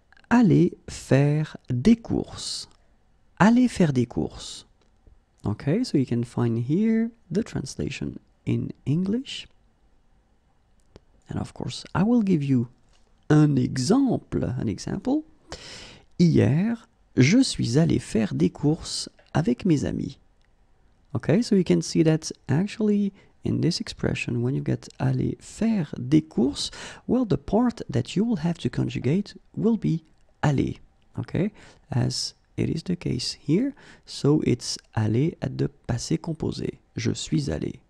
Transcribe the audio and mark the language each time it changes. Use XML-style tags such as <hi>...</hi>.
<fr>Aller faire des courses. Aller faire des courses.</fr> <en>Okay, so you can find here the translation in English. And of course, I will give you an example.</en> <fr>Hier, je suis allé faire des courses avec mes amis.</fr> <en>Okay, so you can see that actually in this expression, when you get aller faire des courses, well, the part that you will have to conjugate will be aller. Okay, as it is the case here, so it's aller at the passé composé.</en> <fr>Je suis allé.</fr>